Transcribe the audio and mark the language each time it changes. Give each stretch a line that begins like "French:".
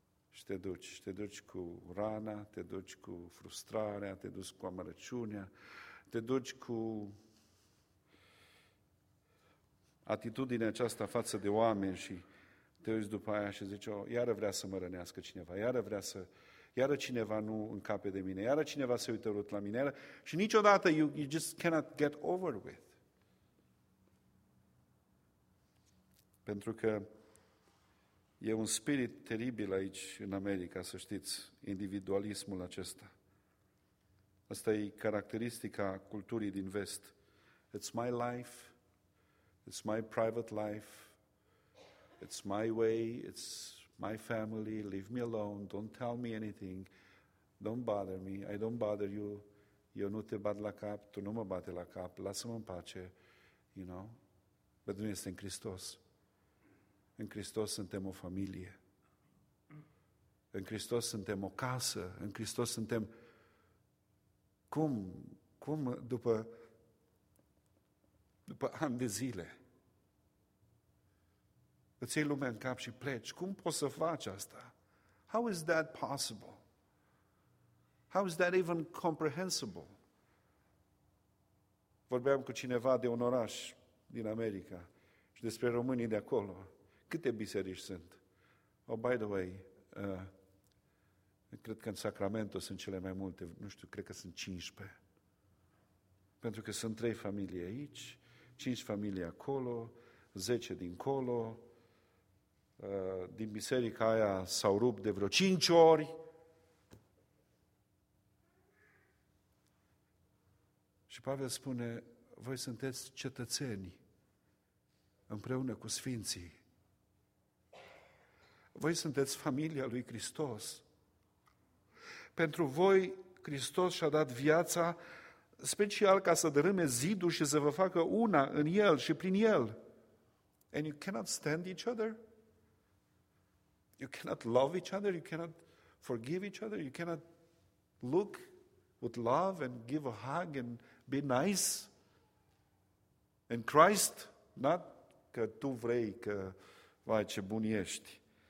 Romanian: Și te duci, și te duci cu rana, te duci cu frustrarea, te duci cu amărăciunea, te duci cu atitudinea aceasta față de oameni și te uiți după aia și zici, iară vrea să mă rănească cineva, iară cineva nu încape de mine, iară cineva se uită urât la mine, iară, și niciodată
English: you just cannot get over with.
Romanian: Pentru că e un spirit teribil aici în America, să știți, individualismul acesta. Asta e caracteristica culturii din vest.
English: It's my life, it's my private life, it's my way, it's my family, leave me alone, don't tell me anything, don't bother me, I don't bother you,
Romanian: eu nu te bat la cap, tu nu mă bate la cap, lasă-mă în pace,
English: you know?
Romanian: Dar nu este în Hristos. În Hristos suntem o familie. În Hristos suntem o casă. În Hristos suntem... Cum după ani de zile... Îți iei lumea în cap și pleci. Cum poți să faci asta?
English: How is that possible? How is that even comprehensible?
Romanian: Vorbeam cu cineva de un oraș din America și despre românii de acolo. Câte biserici sunt?
English: Oh, by the way,
Romanian: cred că în Sacramento sunt cele mai multe, nu știu, cred că sunt 15. Pentru că sunt 3 familii aici, 5 familii acolo, 10 dincolo, din biserica aia s-au rupt de vreo 5 ori. Și Pavel spune, voi sunteți cetățeni împreună cu sfinții. Voi sunteți familia lui Hristos. Pentru voi Hristos și-a dat viața special ca să dărâme zidul și să vă facă una în El și prin El.
English: And you cannot stand each other? You cannot love each other, you cannot forgive each other, you cannot look with love and give a hug and be nice. In Christ, not
Romanian: că tu vrei, că, vai, ce bun ești.